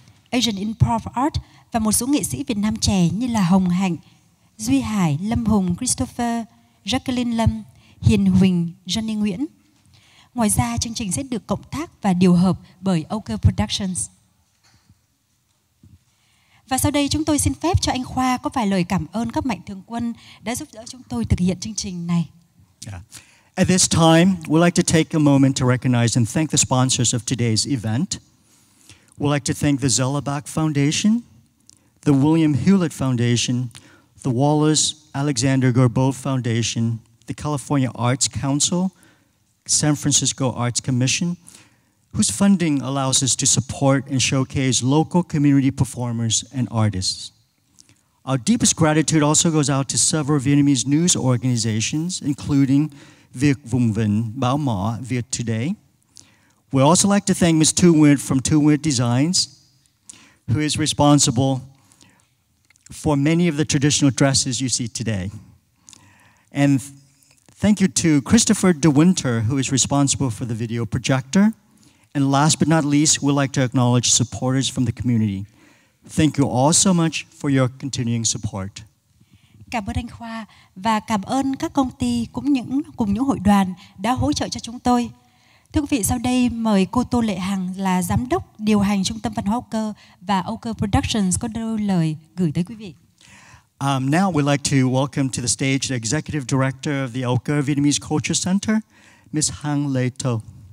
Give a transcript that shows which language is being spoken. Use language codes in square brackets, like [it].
[vi] Asian Improv Art và một số nghệ sĩ Việt Nam trẻ như là Hồng Hạnh, Duy Hải, Lâm Hùng, Christopher, Jacqueline Lâm, Hiền Huỳnh, Johnny Nguyễn. Ngoài ra, chương trình sẽ được cộng tác và điều hợp bởi OCA Productions. Và sau đây chúng tôi xin phép cho anh Khoa có vài lời cảm ơn các mạnh thường quân đã giúp đỡ chúng tôi thực hiện chương trình này. [en] At this time, we'd like to take a moment to recognize and thank the sponsors of today's event. We'd like to thank the Zellerbach Foundation, the William Hewlett Foundation, the Wallace Alexander Gorbeau Foundation, the California Arts Council, San Francisco Arts Commission, whose funding allows us to support and showcase local community performers and artists. Our deepest gratitude also goes out to several Vietnamese news organizations, including Việt Vùng Vịnh, Báo Mã, Việt Today. We'd also like to thank Ms. Thu Nguyen from Thu Nguyen Designs, who is responsible for many of the traditional dresses you see today. And thank you to Christopher De Winter, who is responsible for the video projector. And last but not least, we'd like to acknowledge supporters from the community. Thank you all so much for your continuing support. [vi] Cảm ơn anh Khoa và cảm ơn các công ty cùng những hội đoàn đã hỗ trợ cho chúng tôi. Thưa quý vị, sau đây mời cô Tô Lệ Hằng là giám đốc điều hành Trung tâm Văn hóa OCA và OCA Productions có đôi lời gửi tới quý vị. [en] Now we'd like to welcome to the stage the executive director of the OCA Vietnamese Culture Center, Ms. Hằng Lê Tô.